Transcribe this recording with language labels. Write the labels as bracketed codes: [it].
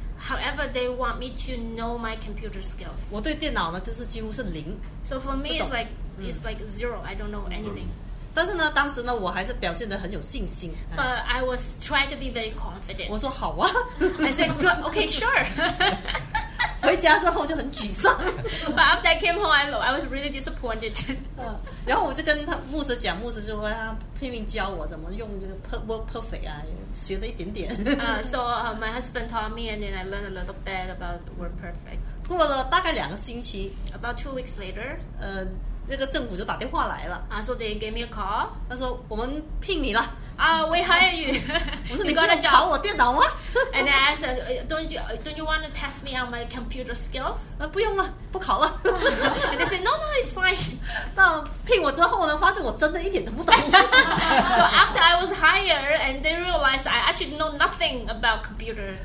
[en] However, they want me to know my computer skills. [zh] 我对电脑呢真是几乎是零。 [en] So for me it's like zero. I don't know anything. [zh] 但是呢，当时呢，我还是表现得很有信心。 [en] But I was trying to be very confident. [zh] 我说好啊。 [en] I said, good, okay, sure. [zh] 回家之后就很沮丧。 [en] But after I came home, I was really disappointed. [zh] 然后我就跟他牧师讲，牧师就说他拼命教我怎么用这个 work perfect 啊，学了一点点。 [en] So my husband taught me, and then I learned a little bit about work perfect. [zh] 过了大概两个星期 [en] ，about 2 weeks later, [zh] 这个政府就打电话来了。 [en] So they gave me a call. [zh] 他说我们聘你了。 [en] We hire you. [zh] 我说你不用考我电脑吗 [en] ？And I said, don't you want to test me on my computer skills? [zh] 不用了，不考了。 [en] And they said, no, it's fine. [zh] 到聘我之后呢，发现我真的一点都不懂。 [en] So after I was hired, and they realized I actually know nothing about computer.